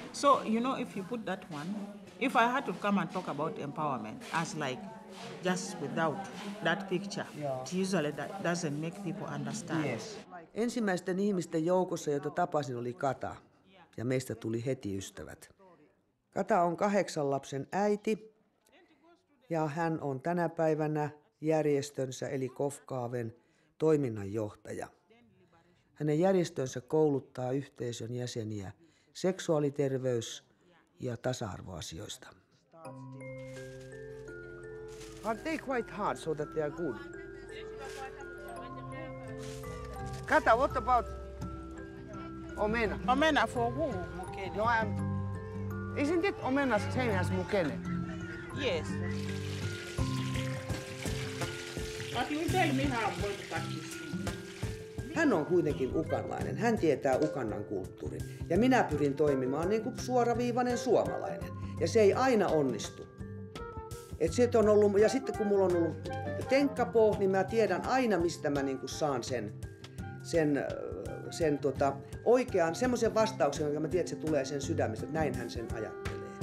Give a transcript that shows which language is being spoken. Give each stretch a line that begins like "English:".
English: So, you know, if you put that one, if I had to come and talk about empowerment as like just without that picture, yeah. Usually that doesn't make people understand. Yes.
Finnish: Ensimmäisten ihmisten joukossa, jota tapasin, oli Kata, ja meistä tuli heti ystävät. Kata on 8 lapsen äiti, ja hän on tänä päivänä järjestönsä, eli Kofkaaven, toiminnanjohtaja. Hänen järjestönsä kouluttaa yhteisön jäseniä seksuaaliterveys- ja tasa-arvoasioista.
English: Are they quite hard so that they are good? Kata, what about omena? Omena for who, Mukene? No, isn't it omena same as Mukene? Yes. But you tell me how I'm going to cut this food.
Finnish: Hän on kuitenkin ugandalainen. Hän tietää Ugandan kulttuurin. Ja minä pyrin toimimaan niin kuin suoraviivainen suomalainen. Ja se ei aina onnistu. Et sit on ollut, ja sitten kun mulla on ollut tenkkapoo, niin mä tiedän aina, mistä mä niin kuin saan sen oikean, semmoisen vastauksen, jonka mä tiedän, että se tulee sen sydämestä, että näinhän sen ajattelee.